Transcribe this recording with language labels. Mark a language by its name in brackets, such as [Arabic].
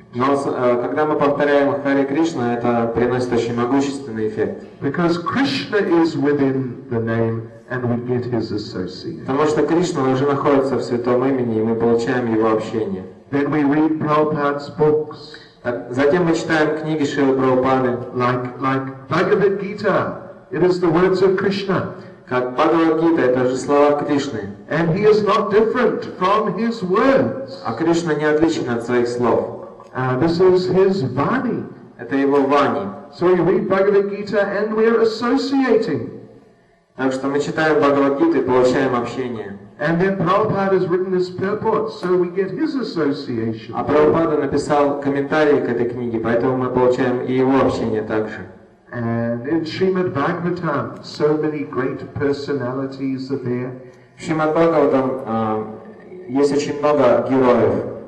[Russian] Но когда мы повторяем Харе Кришна, это приносит очень могущественный эффект. [English] Because Krishna is within the name, and we get his association. [Russian] Потому что Кришна уже находится в святом имени, и мы получаем его общение. [English] Then we read Prabhupada's books. [Russian] Затем мы читаем книги Шрилы Прабхупады. [English] Like Bhagavad Gita, it is the words of Krishna. [Russian] Как Бхагавад Гита, это же слова Кришны. [English] And he is not different from his words. [Russian] А Кришна не отличен от своих слов. [English] This is his vani. [Russian] Это его вани. [English] So we read Bhagavad Gita and we are associating. [Russian] Так что мы читаем Бхагавад Гиту и получаем общение. [English] And then Prabhupada has written his purport, so we get his association. [Russian] А Прабхупада написал комментарии к этой книге, поэтому мы получаем и его общение также. [English] And in Srimad Bhagavatam, so many great personalities are there. [Russian] В Шримад Бхагаватам есть очень много героев.